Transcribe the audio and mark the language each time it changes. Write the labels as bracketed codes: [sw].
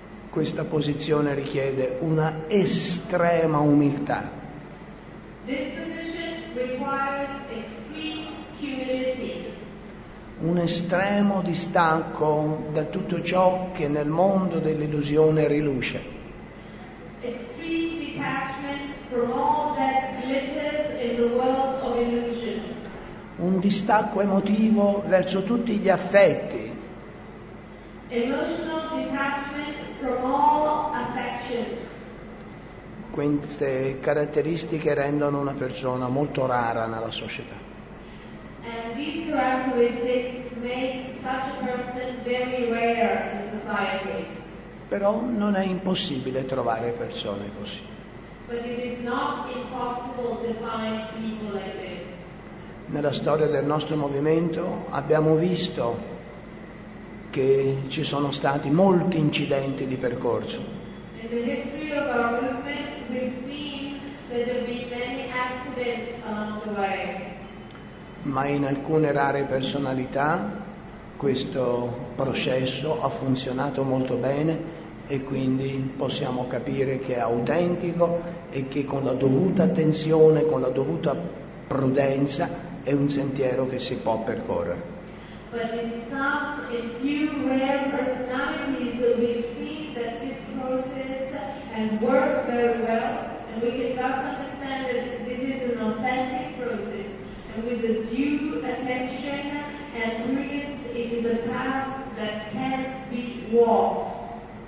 [it] Questa posizione richiede una estrema umiltà. [en] This position requires extreme humility. [it] Un estremo distacco da tutto ciò che nel mondo dell'illusione riluce. [en] Extreme detachment from all that glitters in the world of illusion. [it] Un distacco emotivo verso tutti gli affetti. [en] Emotional detachment from all affections. [it] Queste caratteristiche rendono una persona molto rara nella società. [en] And these characteristics make such a person very rare in society. [it] Però non è impossibile trovare persone così. [en] But it is not impossible to find people like this. [it] Nella storia del nostro movimento abbiamo visto che ci sono stati molti incidenti di percorso. [en] In the history of our movement, we've seen that there have been many accidents along the way. [it] Ma in alcune rare personalità questo processo ha funzionato molto bene e quindi possiamo capire che è autentico e che con la dovuta attenzione, con la dovuta prudenza è un sentiero che si può percorrere. [en] But in some, in few rare personalities, we've seen that this process has worked very well, and we can thus understand that this is an authentic process, and with a due attention and prudence, it is a path that can be walked.